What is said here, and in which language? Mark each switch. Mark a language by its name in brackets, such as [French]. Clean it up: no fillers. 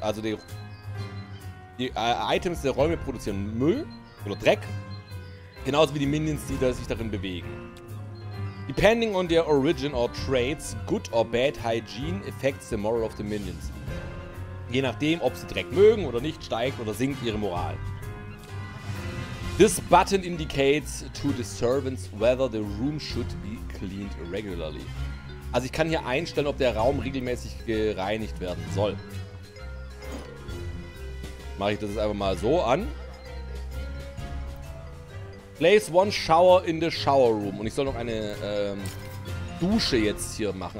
[German] Also die Items der Räume produzieren Müll oder Dreck. Genauso wie die Minions, die sich darin bewegen. [English] Depending on their origin or traits, good or bad hygiene affects the moral of the minions. [German] Je nachdem, ob sie Dreck mögen oder nicht, steigt oder sinkt ihre Moral. [English] This button indicates to the servants whether the room should be cleaned regularly. [German] Also ich kann hier einstellen, ob der Raum regelmäßig gereinigt werden soll. Mache ich das jetzt einfach mal so an. [English] Place one shower in the shower room. [German] Und ich soll noch eine Dusche jetzt hier machen.